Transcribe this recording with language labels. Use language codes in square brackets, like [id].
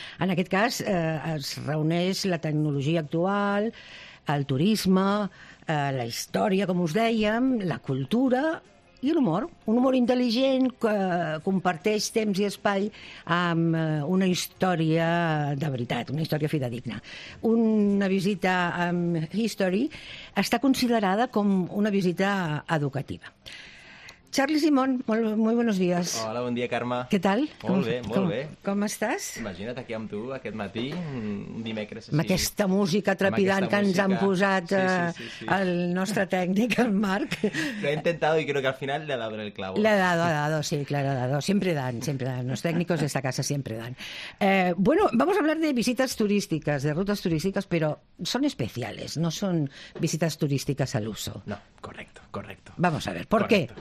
[ca] En aquest cas es reuneix la tecnologia actual, el turisme, la història, com us dèiem, la cultura i l'humor. Un humor intel·ligent que comparteix temps i espai amb una història de veritat, una història fidedigna. Una visita amb History està considerada com una visita educativa. [es] Charlie Simón, muy buenos días. [ca] Hola, bon dia, Carme. Què tal? Molt bé. Com estàs? Imagina't aquí amb tu aquest matí, un dimecres així. Amb aquesta música trepidant que ens han posat el nostre tècnic, el Marc. [es] Lo he intentado y creo que al final le he dado el clavo. Le he dado. [ca] Sempre dan. [es] Los técnicos de esta casa siempre dan. Bueno, vamos a hablar de visitas turísticas, de rutas turísticas, pero son especiales, no son visitas turísticas al uso. No, correcto. Vamos a ver, ¿por qué?